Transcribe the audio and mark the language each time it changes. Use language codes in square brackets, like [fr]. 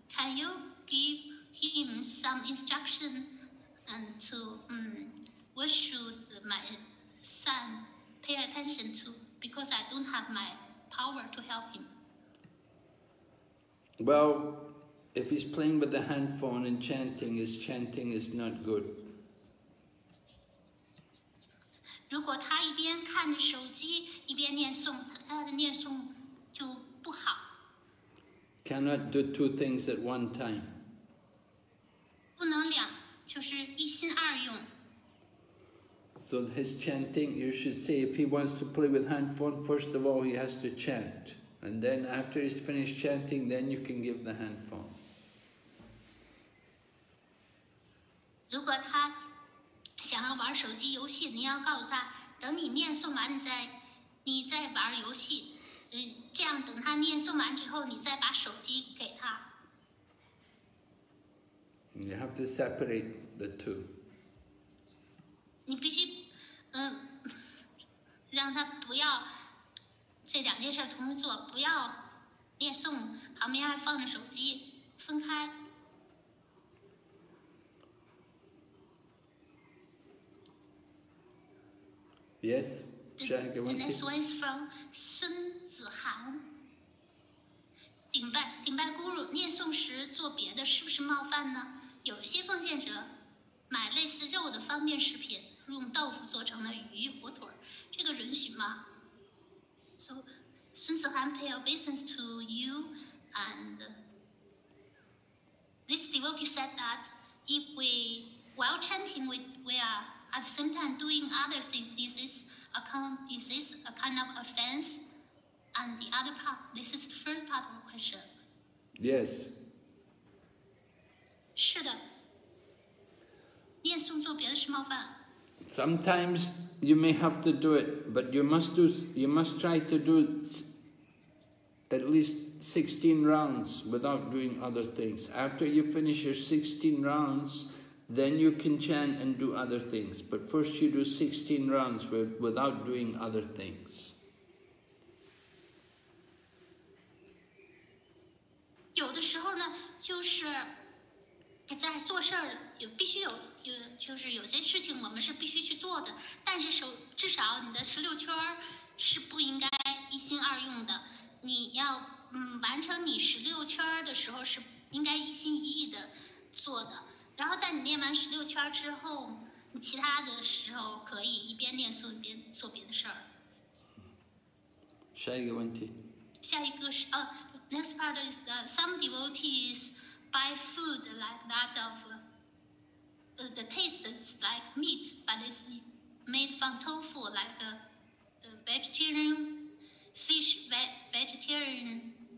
[en] Can you give him some instruction and to, what should my son pay attention to because I don't have my power to help him. Well, if he's playing with the handphone and chanting, his chanting is not good. [zh] 如果他一边看手机一边念诵，他的念诵就不好。 [en] Cannot do two things at one time. [zh] 不能两，就是一心二用。 [en] So his chanting, you should say, if he wants to play with handphone, first of all, he has to chant. And then after he's finished chanting, then you can give the handphone. [zh] 如果他想要玩手机游戏，你要告诉他，等你念诵完，你再玩游戏。这样等他念诵完之后，你再把手机给他。 [en] You have to separate the two. [zh] 你必须，让他不要这两件事同时做，不要念诵，旁边还放着手机，分开。 [en] Yes. The next one is from Sun Zihan. [zh] 顶拜 Guru 念诵时做别的是不是冒犯呢？有一些奉献者买类似肉的方便食品，用豆腐做成了鱼、火腿，这个允许吗？ [en] So Sun Zihan pay obeisance to you, and this devotee said that if we while chanting we are at the same time doing other things, is this a kind of offense? And the other part, this is the first part of the question. Yes. [zh] 是的。念诵做别的是冒犯。 [en] Sometimes you may have to do it, but you must try to do at least 16 rounds without doing other things. After you finish your 16 rounds, then you can chant and do other things. But first you do 16 rounds without doing other things. [zh] 有的时候呢，就是在做事儿，有必须有，就是有些事情我们是必须去做的，但是至少你的16圈是不应该一心二用的。你要完成你16圈的时候是应该一心一意的做的。然后在你念完16圈之后，你其他的时候可以一边念诵一边做别的事儿。下一个问题。下一个是 [en] next part is that some devotees buy food like that of, the taste is like meat, but it's made from tofu, like the vegetarian fish, vegetarian